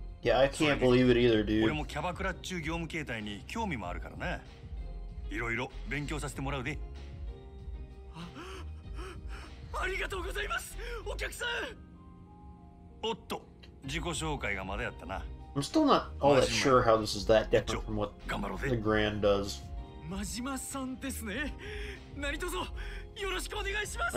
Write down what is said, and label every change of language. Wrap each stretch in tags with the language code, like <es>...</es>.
<en>Yeah, I can't believe it either, dude</en> <ja>俺もキャバクラ中業務形態に興味もあるからないろいろ勉強させてもらうでありがとうございますお客さんおっと自己紹介がまだやったな</ja> <en>I'm still not all that sure how this is that different from what the Grand does</en> <ja>真島さんですね何とぞよろしくお願いします</ja>